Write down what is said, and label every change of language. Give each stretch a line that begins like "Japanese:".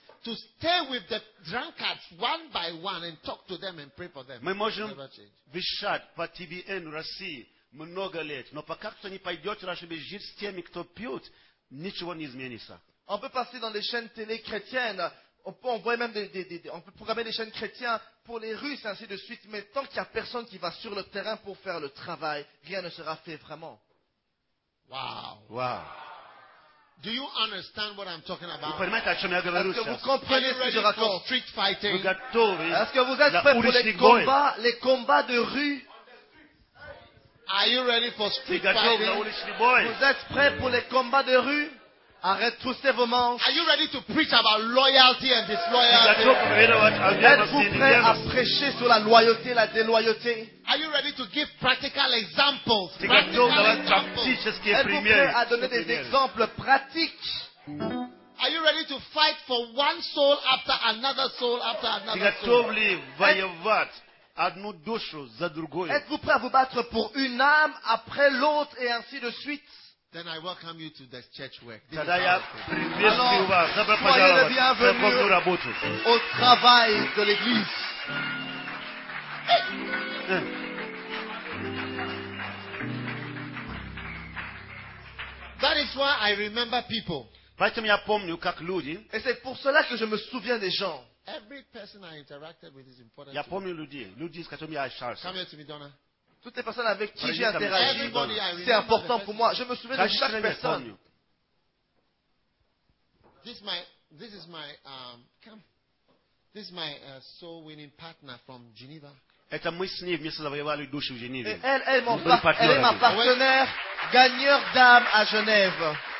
English: To stay with the drunkards one by one and talk to them and pray for them.
Russian: Мы можем вещать по ТБН России много лет, но пока кто не пойдет, чтобы жить с теми, кто пьют, ничего не изменится.
French: On peut passer dans les chaînes télé chrétiennes, on peut programmer des chaînes chrétiennes pour les Russes et ainsi de suite, mais tant qu'il n'y a personne qui va sur le terrain pour faire le travail, rien ne sera fait vraiment.
English: Wow. Do you understand what I'm talking about?
French: Vous comprenez ce que je raconte? Est-ce que vous comprenez ce que je raconte?
English: Street fighting.
French: Est-ce que vous êtes prêts pour les combats de rue?
English: Are you ready for street fighting?
French: Vous êtes prêts pour les combats de rue? Arrête tous ces vos manches.
English: Are you ready to preach about loyalty and disloyalty?
French: Êtes-vous prêt à prêcher sur la loyauté et la déloyauté?
English: Are you ready to give practical examples? Practical examples.
French: Êtes-vous prêt à donner des exemples pratiques?
English: Are you ready to fight for one soul after another soul after another soul?
Russian: Готовы воевать одну душу за другую?
French: Êtes-vous prêt à vous battre pour une âme après l'autre et ainsi de suite?
English: Then I welcome you to this church work.
Russian: Тогда я приветствую вас. Добро пожаловать в работу.
French: Au travail de l'église.
English: That is why I remember people.
Russian: Поэтому я помню, как люди.
French: Et c'est pour cela que je me souviens des gens.
English: Every person I interacted with is important.
Russian: Я помню людей, с которыми я общался.
English: Come here to me, Donna.
French: Toutes les personnes avec qui j'ai interagi, c'est important pour moi. Je me souviens de chaque personne.
English: This is my soul winning partner from Geneva.
Russian: Это мы с ней вместе завоевали душу в Женеве.
French: Elle est ma partenaire, gagneur d'âme à Genève.